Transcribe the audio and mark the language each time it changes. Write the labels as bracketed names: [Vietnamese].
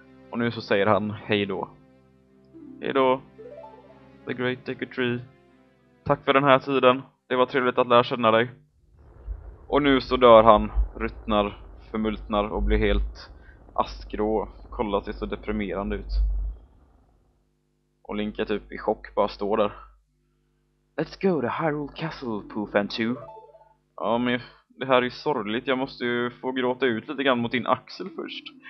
[Swedish] Och nu så säger han hej då. Hej då, The Great Deku Tree. Tack för den här tiden. Det var trevligt att lära känna dig. Och nu så dör han, ruttnar, förmultnar och blir helt askgrå. Kollar sig så deprimerande ut. Och Link är typ i chock, bara står där. [English] Let's go to Hyrule Castle, Poofan 2. [Swedish] Ja, men det här är ju sorgligt. Jag måste ju få gråta ut lite grann mot din axel först.